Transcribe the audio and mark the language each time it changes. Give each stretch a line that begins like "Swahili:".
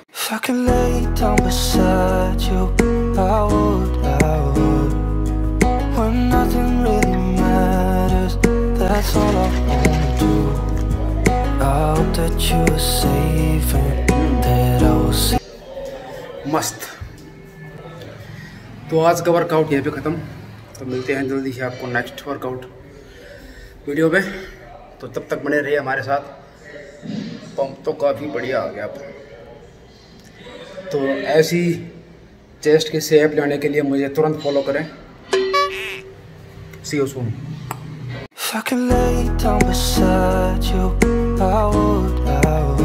English: If I could lay down beside you, I would, I would. When nothing really matters, that's all I wanna do. I hope that you're safe and
Hindi: मस्त। तो आज का workout यहाँ पे ख़त्म, तो मिलते हैं जल्दी से आपको नेक्स्ट वर्कआउट वीडियो में। तो तब तक बने रहिए हमारे साथ, पंप तो काफ़ी बढ़िया आ गया। तो ऐसी चेस्ट के सेप लाने के लिए मुझे तुरंत फॉलो करें।
English: See you soon. If I can lay down beside you, I would, I would.